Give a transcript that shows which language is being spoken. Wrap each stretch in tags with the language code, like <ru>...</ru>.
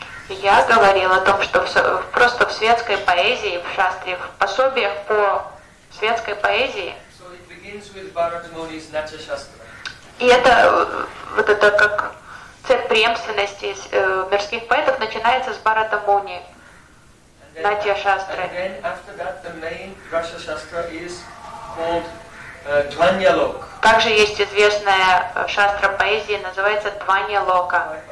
<ru>Я говорил о том, что просто в светской поэзии, в шастре, в пособиях по светской поэзии.</ru> <en>So it begins with Bharatamuni's Natcha Shastra.</en> <ru>И это вот это как цепь преемственности мирских поэтов начинается с Бхаратамуни, Натья Шастры.</ru> <en>And then after that, the main rasa shastra is called Dvanyalok.</en> <ru>Также есть известная шастра поэзии, называется Дванья Лока.</ru>